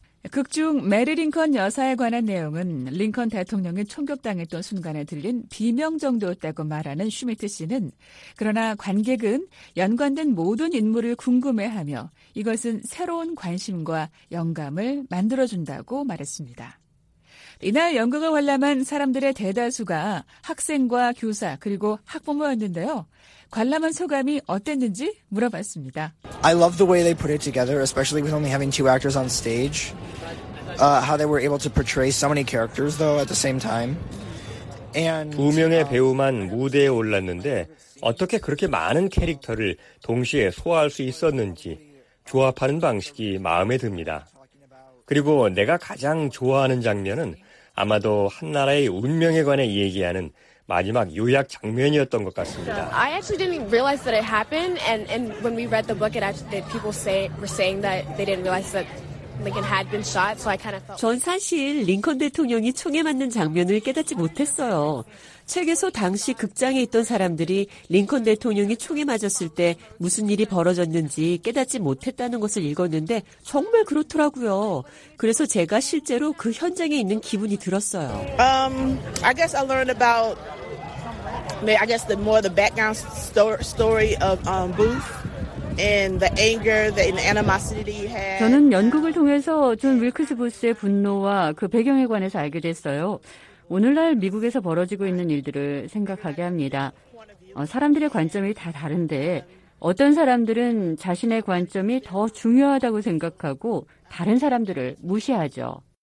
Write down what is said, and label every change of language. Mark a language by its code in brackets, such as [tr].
[ko] 극중 메리 링컨 여사에 관한 내용은 링컨 대통령이 총격당했던 순간에 들린 비명 정도였다고 말하는 슈미트 씨는 그러나 관객은 연관된 모든 인물을 궁금해하며 이것은 새로운 관심과 영감을 만들어준다고 말했습니다. 이날 연극을 관람한 사람들의 대다수가 학생과 교사 그리고 학부모였는데요. 관람한 소감이 어땠는지 물어봤습니다. [en] I love the way they put it together, especially with only having two actors on stage. How they were able to portray so many characters though at the same time. And [ko] 두 명의 배우만 무대에 올랐는데 어떻게 그렇게 많은 캐릭터를 동시에 소화할 수 있었는지 조합하는 방식이 마음에 듭니다. 그리고 내가 가장 좋아하는 장면은 아마도 한 나라의 운명에 관해 얘기하는 마지막 요약 장면이었던 것 같습니다. [en] I actually didn't realize that it happened, and when we read the book, it actually people say were saying that they didn't realize that Lincoln had been shot. So I kind of felt. [ko] 전 사실 링컨 대통령이 총에 맞는 장면을 깨닫지 못했어요. 책에서 당시 극장에 있던 사람들이 링컨 대통령이 총에 맞았을 때 무슨 일이 벌어졌는지 깨닫지 못했다는 것을 읽었는데 정말 그렇더라고요. 그래서 제가 실제로 그 현장에 있는 기분이 들었어요. [en] I guess I learned about I guess the more the background story of Booth and the anger and the animosity he had. [ko] 저는 연극을 통해서 존 윌크스 부스의 분노와 그 배경에 관해서 알게 됐어요. 오늘날 미국에서 벌어지고 있는 일들을 생각하게 합니다. 사람들의 관점이 다 다른데 어떤 사람들은 자신의 관점이 더 중요하다고 생각하고 다른 사람들을 무시하죠.